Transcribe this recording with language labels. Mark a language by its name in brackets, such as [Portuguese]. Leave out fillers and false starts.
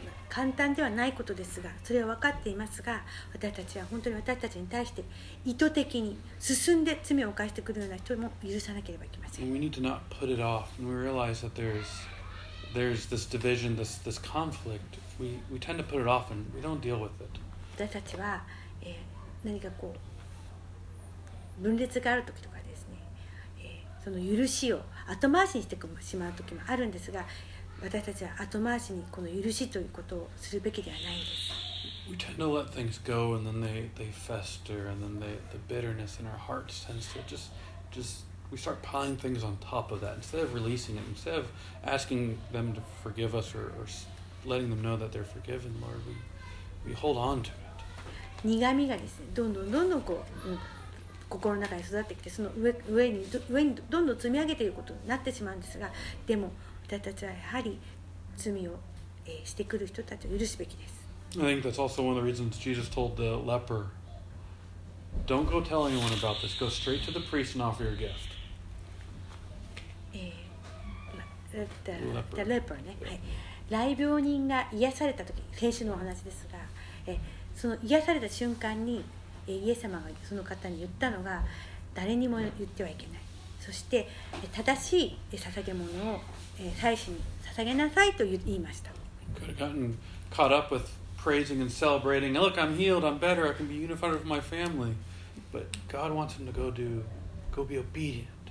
[Japanese] 簡単ではないことですが、それは分かっていますが、私たちは本当に私たちに対して意図的に進んで罪を犯してくるような人も許さなければいけません。 [English] We need to not put it off. When we realize that there's this division, this conflict, we tend to put it off and we don't deal with it. [Japanese] 私たちは、何かこう分裂があるときとかですね、その許しを後回しにしてしまうときもあるんですが、私たちは後回しにこの許しということをするべきではないんです。 [English] We tend to let things go and then they fester and then the bitterness in our hearts tends to just we start piling things on top of that instead of releasing it, instead of asking them to forgive us or letting them know that they're forgiven, Lord, we hold on to it. [Japanese] 苦みがですね、どんどんどんどんこう、心の中に育ってきて、その上にどんどん積み上げていることになってしまうんですが、でも私たちはやはり罪をしてくる人たちを許すべきです。 [English] I think that's also one of the reasons Jesus told the leper, "Don't go tell anyone about this. Go straight to the priest and offer your gift." The leper, [Japanese] ね、はい、来病人が癒されたとき、先週のお話ですが、その癒された瞬間に、イエス様がその方に言ったのが、誰にも言ってはいけない。そして正しい捧げ物を祭司に捧げなさいと言いました。 [English] Could have gotten caught up with praising and celebrating. Look, I'm healed. I'm better. I can be unified with my family. But God wants him to go be obedient.